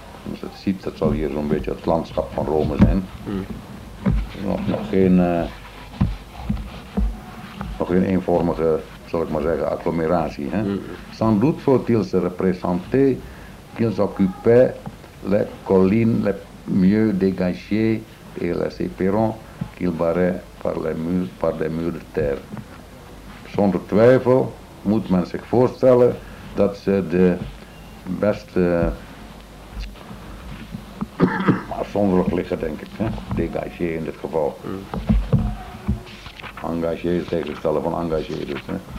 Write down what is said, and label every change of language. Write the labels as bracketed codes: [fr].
[nl] Als je het ziet, dat zal hier zo'n beetje het landschap van Rome zijn. Nog geen eenvormige, zal ik maar zeggen, agglomeratie. Hè? [fr] Sans doute faut-il se représenter qu'ils occupaient les collines les mieux dégagées et les éperons qu'ils barraient par les murs de terre. [nl] Zonder twijfel moet men zich voorstellen dat ze de beste afzonderlijk liggen, denk ik. Hè? Dégagé in dit geval. Engagé, het tegenstellen van engagé dus. Hè?